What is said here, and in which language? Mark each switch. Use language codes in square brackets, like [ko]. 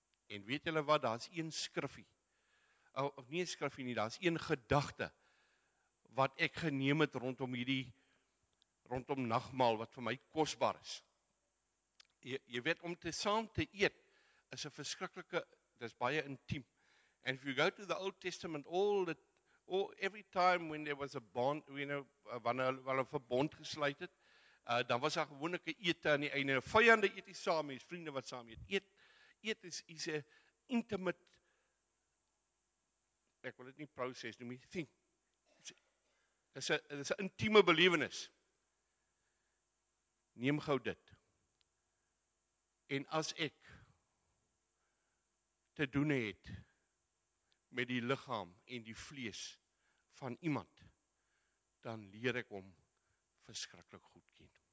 [af] En weet julle wat, daar's een skriffie. Of nie 'n skriffie nie, daar's een gedagte wat ek geneem het rondom hierdie rondom nagmaal wat vir my kosbaar is. Jy weet om te saam te eet is 'n verskriklike, dis baie intiem. [en] And if you go to the Old Testament, every time when there was a bond, you know, [af] wanneer hulle 'n verbond gesluit het, dan was daar gewoonlike ete aan die einde. Vyande eet nie saam nie, vriende wat saam eet. Eet is 'n intimate, ek wil dit nie proses noem nie, thing. Dit is 'n intieme belewenis. Neem gou dit. En as ek te doen het met die liggaam en die vlees van iemand, dan leer ek hom verskriklik goed ken.